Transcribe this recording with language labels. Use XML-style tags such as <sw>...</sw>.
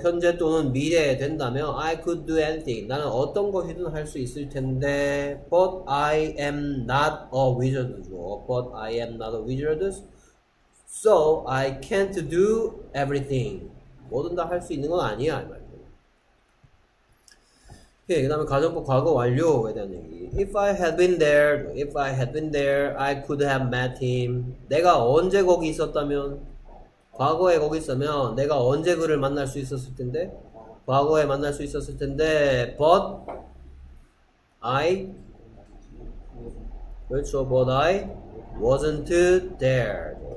<ko>현재 또는 미래에 된다면</ko> <en>I could do anything.</en> <ko>나는 어떤 것이든 할수 있을 텐데</ko> <en>But I am not a wizard</en> <ko>죠.</ko> <en>But I am not a wizard. So I can't do everything.</en> <ko>뭐든 다할수 있는 건 아니야. 이 말이에요. 예, 그 다음에 가정법 과거 완료에 대한 얘기.</ko> <en>If I had been there, I could have met him.</en> <ko>내가 언제 거기 있었다면 과거에 거기 있으면 내가 언제 그를 만날 수 있었을 텐데? 과거에 만날 수 있었을 텐데, but I, 그렇죠,</ko> <en>but I wasn't there.</en>